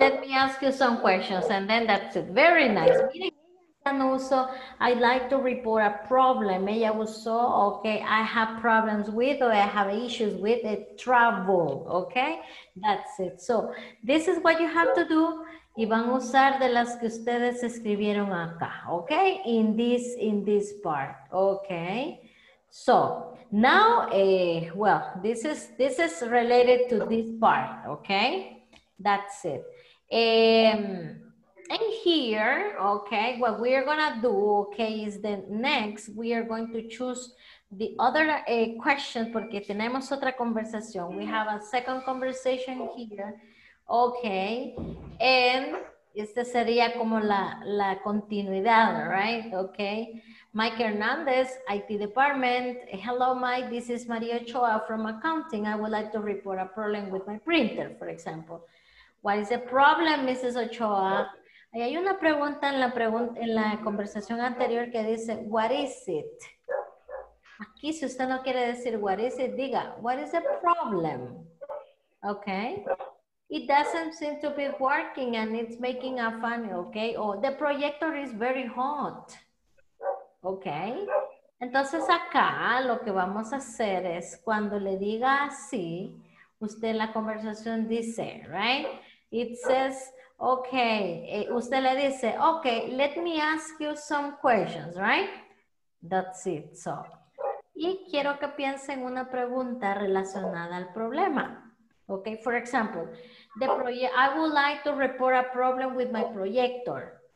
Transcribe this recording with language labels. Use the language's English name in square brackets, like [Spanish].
[English] Let me ask you some questions and then that's it. Very nice. And also, I'd like to report a problem. [Spanish] Ella usó, [English] okay, I have problems with or I have issues with it, trouble, okay? That's it. So, this is what you have to do. [Spanish] Y van a usar de las que ustedes escribieron acá, okay? [English] In this part, okay? So, now, well, this is related to this part, okay? That's it. And here, okay, what we are gonna do, okay, is the next, we are going to choose the other question, [Spanish] porque tenemos otra conversación. [English] We have a second conversation here, okay? [Spanish] And este sería como la continuidad, right? [English] Okay, Mike Hernandez, IT department. Hello, Mike, this is Maria Ochoa from accounting. I would like to report a problem with my printer, for example. What is the problem, Mrs. Ochoa? [Spanish] Y hay una pregunta en la conversación anterior que dice, [English] what is it? [Spanish] Aquí, si usted no quiere decir [English] what is it, [Spanish] diga, [English] what is the problem? Okay. It doesn't seem to be working and it's making a funny, okay? Oh, the projector is very hot. Okay. [Spanish] Entonces acá lo que vamos a hacer es, cuando le diga así, usted en la conversación dice, [English] right? It says... Okay, [Spanish] usted le dice, [English] okay, let me ask you some questions, right? That's it, so. [Spanish] Y quiero que piense en una pregunta relacionada al problema. [English] Okay, for example, I would like to report a problem with my projector.